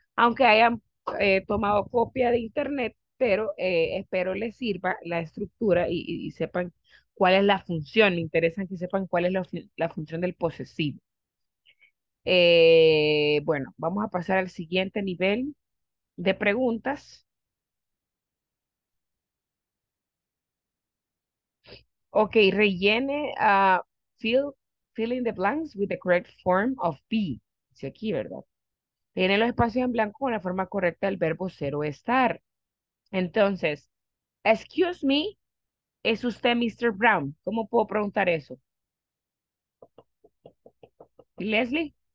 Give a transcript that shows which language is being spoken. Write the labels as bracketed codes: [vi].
[es] Aunque hayan tomado copia de internet, pero espero les sirva la estructura y sepan cuál es la función. Me interesa que sepan cuál es la función del posesivo. Bueno, vamos a pasar al siguiente nivel de preguntas. Ok, rellene, [en] fill in the blanks with the correct form of be. [es] Dice aquí, ¿verdad? Rellene los espacios en blanco con la forma correcta del verbo ser o estar. Entonces, [en] excuse me, [es] ¿es usted Mr. Brown? ¿Cómo puedo preguntar eso? Leslie.